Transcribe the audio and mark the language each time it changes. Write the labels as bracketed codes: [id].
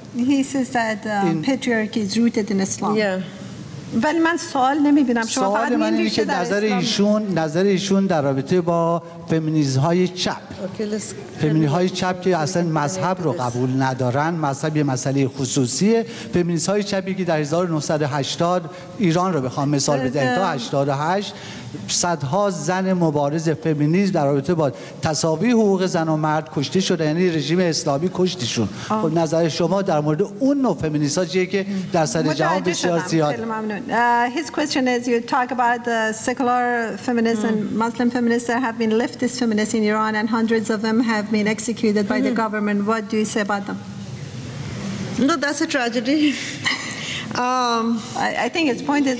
[en] He says that patriarchy is rooted in Islam. Yeah. [fa] ولی من سوال نمیبینم شما فقط من اینه که نظر ایشون در رابطه با فمینیست های چپ فمینیست های چپ که اصلا مذهب رو قبول ندارن مذهب یه مسئله خصوصیه فمینیست های چپی که در 1980 ایران رو بخوام مثال بزنم تا 88 صدها زن مبارز فمینیست در رابطه با تساوی حقوق زن و مرد کشته شده یعنی رژیم اسلامی کشتشون خب نظر شما در مورد اون نوع فمینیست ها چیه که در سر جهان بسیار زیاد [en] His question is, you talk about the secular feminists and Muslim feminists. There have been leftist feminists in Iran, and hundreds of them have been executed by the government. What do you say about them? No, that's a tragedy. I think his point is...